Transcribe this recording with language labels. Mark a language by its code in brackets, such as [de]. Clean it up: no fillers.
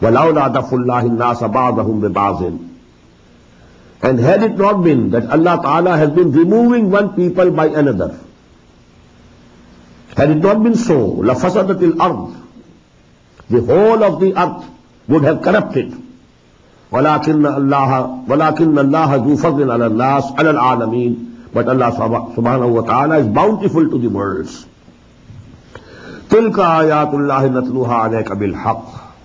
[ar] ولولا دفع الله الناس بعضهم ببعض. [en] And had it not been that Allah Ta'ala has been removing one people by another, had it not been so, [ar] لفسدت الأرض, [en] the whole of the earth would have corrupted. [ar] ولكن الله ذو فضل على الناس على العالمين. [en] But Allah Subhanahu wa Ta'ala is bountiful to the worlds. [ar] تلك آيات الله نتلوها عليك بالحق.